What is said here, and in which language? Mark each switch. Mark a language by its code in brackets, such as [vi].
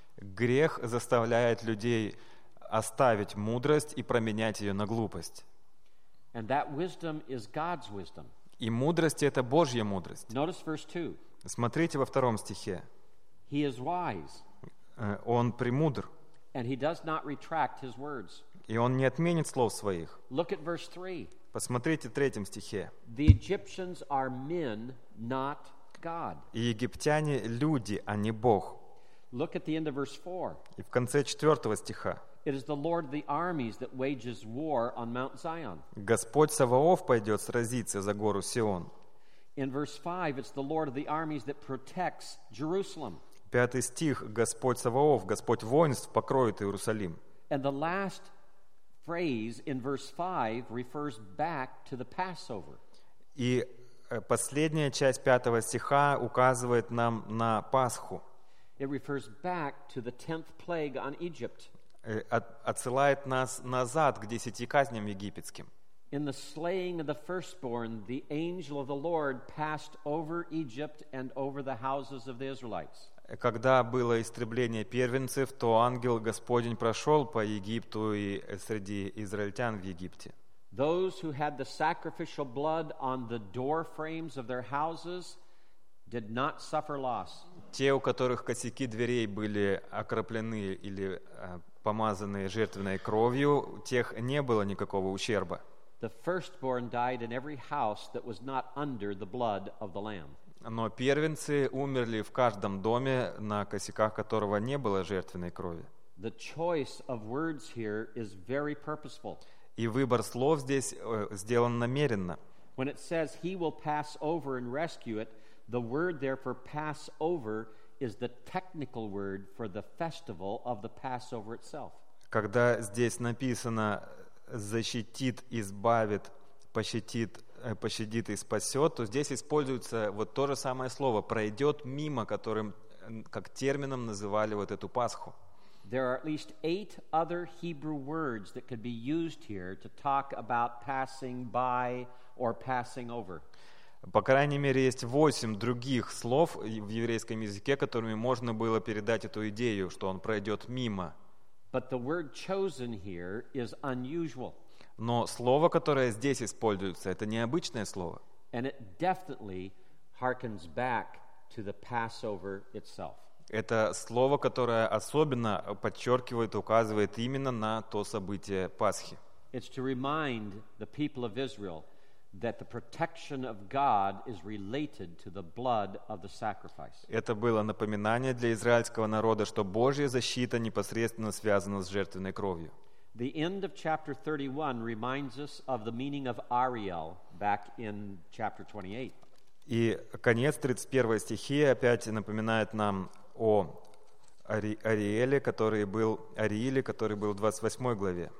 [ru] Грех заставляет людей оставить мудрость и променять ее на глупость. [en] And that wisdom is God's wisdom. [ru] И мудрость — это Божья мудрость. [en] Notice verse 2. [ru] Смотрите во втором стихе. [en] He is wise. [ru] Он премудр. [en] And he does not retract his words. [ru] И он не отменит слов своих. [en] Look at verse 3. [ru] Посмотрите в третьем стихе. [en] The Egyptians are men, not God. [ru] И египтяне — люди, а не Бог. [en] Look at the end of verse 4. [ru] И в конце четвертого стиха. [en] It is the Lord of the armies that wages war on Mount Zion. [ru] Господь Саваоф пойдет сразиться за гору Сион. [en] In verse 5, it's the Lord of the armies that protects Jerusalem. [ru] Пятый стих. Господь Саваоф, Господь воинств, покроет Иерусалим. [en] And the last phrase in verse 5 refers back to the Passover. [ru] И последняя часть пятого стиха указывает нам на Пасху. [en] It refers back to the 10th plague on Egypt. [ru] Отсылает нас назад к десяти казням египетским. [en] In the slaying of the firstborn, the angel of the Lord passed over Egypt and over the houses of the Israelites. [ru] Когда было истребление первенцев, то ангел Господень прошел по Египту и среди израильтян в Египте. [en] Those who had the sacrificial blood on the door frames of their houses did not suffer loss. [ru] Те, у которых косяки дверей были окроплены или помазаны жертвенной кровью, у тех не было никакого ущерба. [en] The firstborn died in every house that was not under the blood of the Lamb. [ru] Но первенцы умерли в каждом доме, на косяках которого не было жертвенной крови. [en] The choice of words here is very purposeful. [ru] И выбор слов здесь сделан намеренно. [en] When it says he will pass over and rescue it, the word there for pass over is the technical word for the festival of the Passover itself. [ru] Когда здесь написано защитит, избавит, пощадит, пощадит и спасет, то здесь используется вот то же самое слово пройдет мимо, которым как термином называли вот эту Пасху. [en] There are at least eight other Hebrew words that could be used here to talk about passing by or passing over. [ru] По крайней мере, есть восемь других слов в еврейском языке, которыми можно было передать эту идею, что он пройдет мимо. [en] But the word chosen here is unusual. [ru] Но слово, которое здесь используется, это необычное слово. [en] And it definitely harkens back to the Passover itself. [ru] Это слово, которое особенно подчеркивает, указывает именно на то событие Пасхи. [en] It's to remind the people of Israel that the protection of God is related to the blood of the sacrifice. [ru] Это было напоминание для израильского народа, что Божья защита непосредственно связана с жертвенной кровью. [en] The end of chapter 31 reminds us of the meaning of Ariel back in chapter 28. [ru] И конец 31 стихи опять напоминает нам о Ариэле, который был в 28 главе.